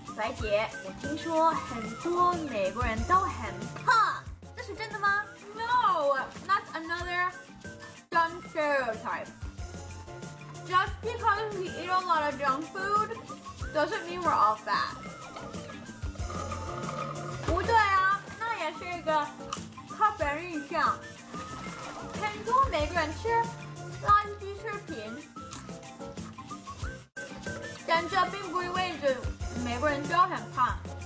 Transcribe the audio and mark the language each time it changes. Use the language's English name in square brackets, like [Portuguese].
[Chinese] 白姐，我听说很多美国人都很胖，这是真的吗？ [English] No, that's another dumb stereotype. Just because we eat a lot of junk food doesn't mean we're all fat. [Chinese] 不对啊，那也是一个刻板印象。很多美国人吃垃圾食品，但这并不意味着美国人就很胖。